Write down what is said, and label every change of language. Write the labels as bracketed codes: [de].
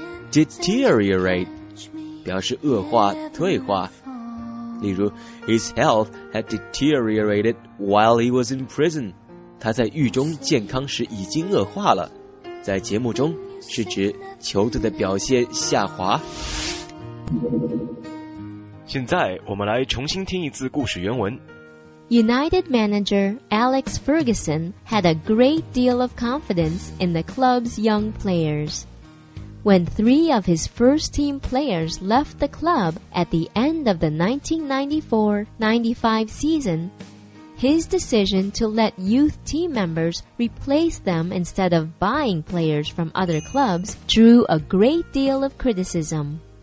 [zh] Deteriorate, 表示恶化、退化。例如 [en] ,His health had deteriorated while he was in prison. [zh] 他在狱中健康时已经恶化了。在节目中是指球队的表现下滑。现在我们来重新听一次故事原文。 [en] United manager Alex Ferguson had a great deal of confidence in the club's young players. When three of his first team players left the club at the end of the 1994-95 season, his decision to let youth team members replace them instead of buying players from other clubs drew a great deal of criticism.